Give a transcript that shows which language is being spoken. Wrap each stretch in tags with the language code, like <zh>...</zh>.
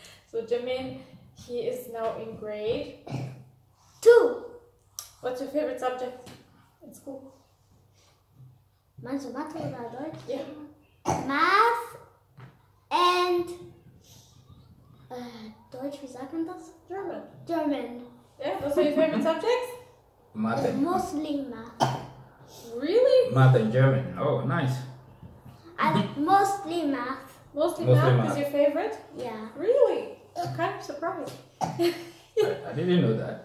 <en>So Jimin, he is now in grade 2. What's your favorite subject in school?</en> <de>Meinst du Mathe oder Deutsch?</de> <en>Yeah.</en> <de>Math and Deutsch, wie sagt man das?</de> <en>German. German. Yeah, those are your favorite subjects?</en> <de>Mathe.</de> <en>Mostly math. Really? Math and German. Oh, nice. Mostly math. Mostly math is your favorite? Yeah. Really? I'm kind of surprised. I didn't know that.</en>